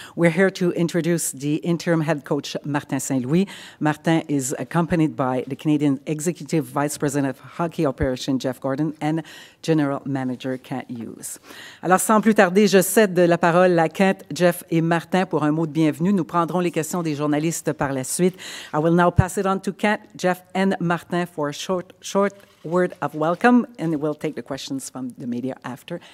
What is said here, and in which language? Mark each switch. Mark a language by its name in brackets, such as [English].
[English] We're here to introduce the interim head coach, Martin Saint-Louis. Martin is accompanied by the Canadian Executive Vice President of Hockey Operation, Jeff Gordon, and General Manager, Kent Hughes. [French] Alors, sans plus tarder, je cède la parole à Kent, Jeff et Martin pour un mot de bienvenue. Nous prendrons les questions des journalistes par la suite. [English] I will now pass it on to Kent, Jeff and Martin for a short word of welcome, and we'll take the questions from the media after.